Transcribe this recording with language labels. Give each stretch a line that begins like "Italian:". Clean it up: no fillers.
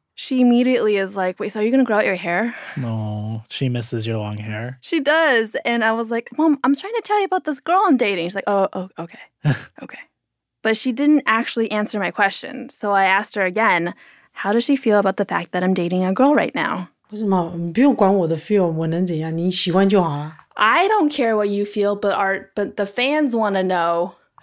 English: She immediately is like, wait, so are you going to grow out your hair? No, she misses your long hair. She does. And I was like, Mom, I'm trying to tell you about this girl I'm dating. She's like, okay. Okay. But she didn't actually answer my question. So I asked her again, how does she feel about the fact that I'm dating a girl right now?
Chinese: 为什么?你不用管我的feel,我能怎样,你喜欢就好了。
English: I don't care what you feel, but the fans want to know.